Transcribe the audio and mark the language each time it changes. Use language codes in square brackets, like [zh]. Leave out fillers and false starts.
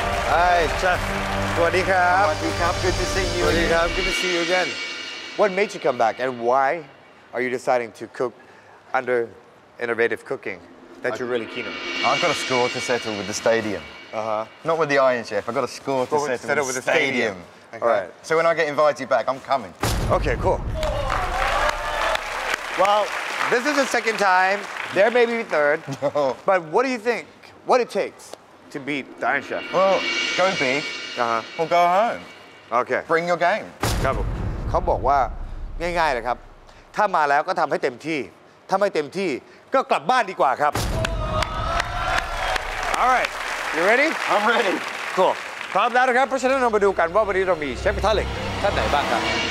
[th] ไอ้เชฟสวัสดีครับ สวัสดีครับ [en] good to see you [th] สวัสดีครับ [en] good to see you againWhat made you come back, and why are you deciding to cook under innovative cooking that you're really keen on? I've got a score to settle with the stadium. Uh-huh. Not with the Iron Chef. I've got a score to settle with the stadium. Okay. All right. So when I get invited back, I'm coming. Okay, cool. Well, this is the second time. There may be third. No. But what do you think, what it takes to beat the Iron Chef? Well, go big, or go home. Okay. Bring your game. Come on. [th] เขาบอกว่าง่ายๆเลยครับถ้ามาแล้วก็ทำให้เต็มที่ถ้าไม่เต็มที่ก็กลับบ้านดีกว่าครับ [en] All right you ready I'm ready [th] cool พร้อมแล้วนะครับเพราะฉะนั้นเรามาดูกันว่าวันนี้เรามีเชฟกระทะเหล็กท่านไหนบ้างครับ